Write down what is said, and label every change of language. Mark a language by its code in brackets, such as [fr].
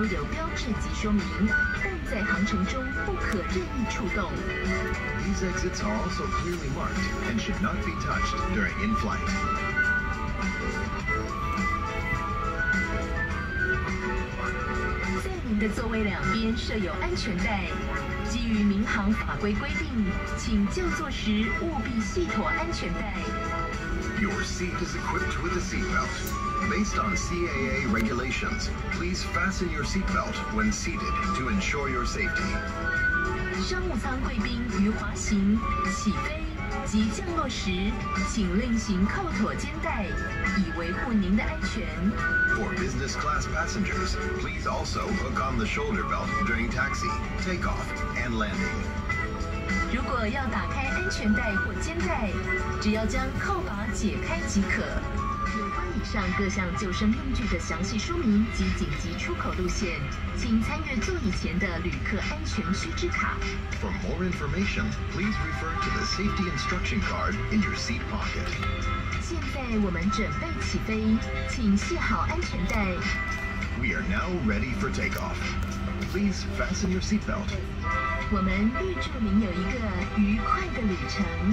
[zh] 逃生门的位置及使用方法都有标志及说明。在航程中不可任意触动。 [en] These exits are also clearly marked and should not be touched during in-flight. [zh] 在您的座位两边设有安全带，基于民航法规规定，请就座时务必系妥安全带。 [en] Your seat is equipped with a seatbelt. Based on CAA regulations, please fasten your seatbelt when seated to ensure your safety. [zh] 商务舱贵宾于滑行、起飞及降落时，请另行扣妥肩带，以维护您的安全。 [en] For business class passengers, please also hook on the shoulder belt during taxi, takeoff, and landing. [zh] 如果要打开安全带或肩带，只要将扣把解开即可。有关以上各项救生用具的详细说明及紧急出口路线，请参阅座椅前的旅客安全须知卡。 [en] For more information, please refer to the safety instruction card in your seat pocket. [zh] 现在我们准备起飞，请系好安全带。 [en] We are now ready for takeoff. Please fasten your seatbelt. [zh] 我们预祝您有一个愉快的旅程。